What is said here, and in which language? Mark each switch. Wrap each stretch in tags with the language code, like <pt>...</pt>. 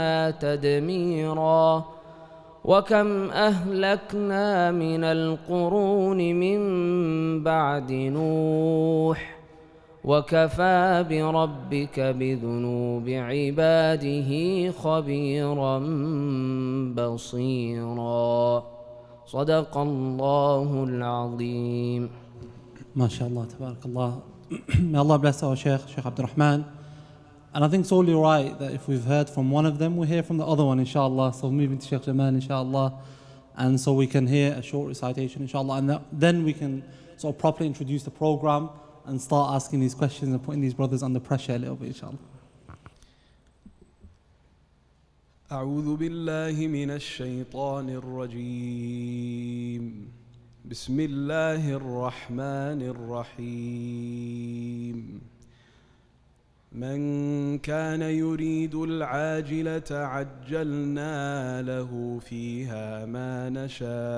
<ar>تدميرا وكم أهلكنا من القرون من بعد نوح وكفى بربك بذنوب عباده خبيرا بصيرا صدق الله العظيم. ما شاء الله تبارك الله.</ar> <en>May Allah bless our Sheikh, Sheikh Abdurahman. And I think it's only right that if we've heard from one of them, we hear from the other one, inshallah. So moving to Sheikh Jamal, inshallah. And so we can hear a short recitation, inshallah. And then we can sort of properly introduce the program and start asking these questions and putting these brothers under pressure a little bit, inshallah.</en> <ar>أعوذ بالله من الشيطان الرجيم بسم الله الرحمن الرحيم من كان يريد العاجلة عجلنا له فيها ما نشاء</ar>